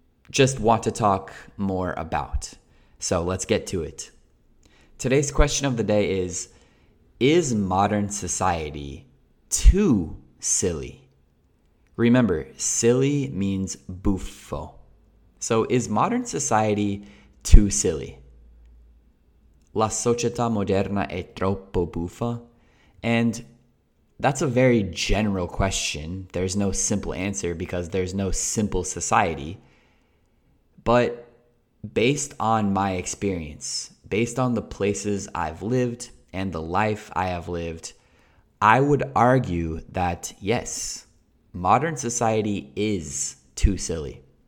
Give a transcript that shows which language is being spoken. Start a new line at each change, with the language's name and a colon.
English: just want to talk more about. So let's get to it. Today's question of the day is modern society too silly? Remember, silly means buffo. So is modern society too silly?
Italian: La società moderna è troppo buffa?
English: And that's a very general question. There's no simple answer because there's no simple society. But based on my experience, based on the places I've lived and the life I have lived, I would argue that yes, modern society is too silly.